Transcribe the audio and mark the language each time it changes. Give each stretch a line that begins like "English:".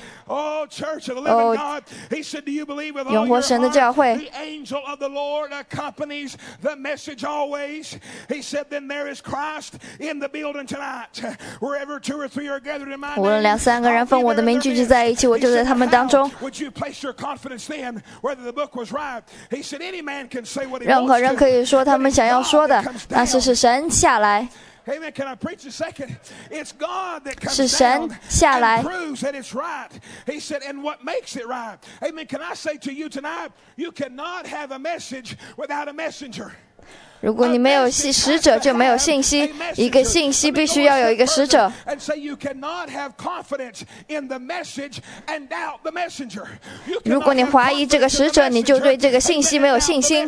English: Oh, Church of the Living God, he said, Do you believe with all your heart? The angel of the Lord accompanies the message always. He said, Then there is Christ in the building tonight. Wherever two or three are gathered in my name, 无论两三个人奉我的名聚集在一起，我就在他们当中。 Would you place your confidence then, whether the book was right? He said, Any man can say what he
Chinese: wants. 任何人可以说他们想要说的，那是神下来。
English: Amen. Can I preach a second? It's God that comes
Chinese: 是神下来
English: and proves that it's right. He said, and what makes it right? Amen. Can I say to you tonight, you cannot have a message without a messenger.
Chinese: 如果你没有使者，就没有信息。一个信息必须要有一个使者。
English: And say you cannot have confidence in the message and doubt the messenger.
Chinese: 如果你怀疑这个使者，你就对这个信息没有信心。